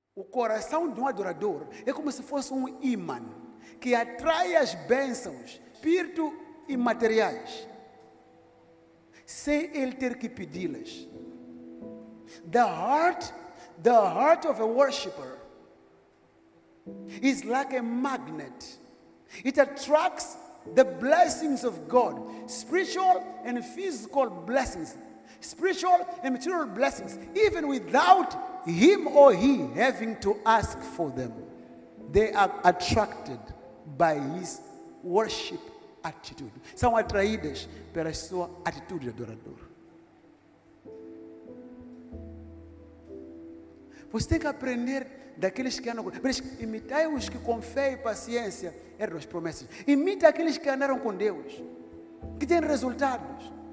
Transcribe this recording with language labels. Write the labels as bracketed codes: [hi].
[pt] O coração de um adorador é como se fosse um ímã que atrai as bênçãos, espírito e materiais, sem ele ter que pedi-las. [en] The heart of a worshipper is like a magnet. It attracts the blessings of God, spiritual and physical blessings, spiritual and material blessings, even without him or he having to ask for them. They are attracted by his worship attitude. [pt] São atraídas pela sua atitude de adorador. Você tem que aprender daqueles que andam com Deus. Imitai os que com fé e paciência herdam as promessas. Imita aqueles que andaram com Deus, que têm resultados.